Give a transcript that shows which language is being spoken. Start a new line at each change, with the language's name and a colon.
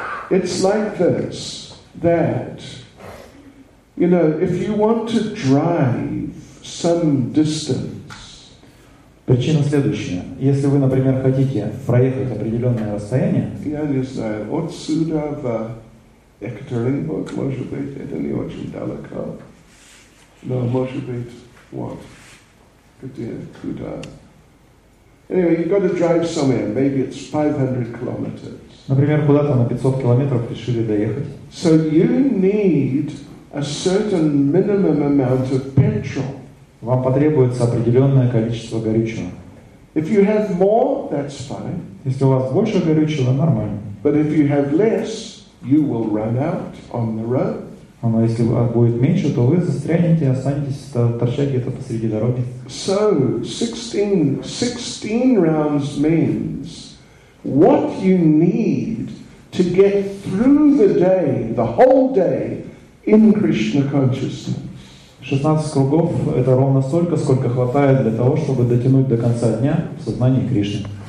English: It's like this, that, you know, if you want to drive some distance.
Russian: Причина следующая. Если вы, например, хотите проехать определенное расстояние. Я не знаю, отсюда в Екатеринбург, может быть, это не очень далеко. Но, может быть, вот, где, куда.
English: Anyway, you've got to drive somewhere. Maybe it's 500 kilometers.
Russian: Например, куда-то на 500 километров решили доехать.
English: So you need a certain minimum amount of petrol.
Russian: Вам потребуется определенное количество горючего.
English: If you have more, that's fine.
Russian: Если у вас больше горючего, нормально.
English: But if you have less, you will run out on the road.
Russian: Но если будет меньше, то вы застрянете, останетесь торчать где-то посреди дороги.
English: So, 16 rounds means what you need to get through the day, the whole day, in Krishna consciousness.
Russian: 16 кругов – это ровно столько, сколько хватает для того, чтобы дотянуть до конца дня в сознании Кришны.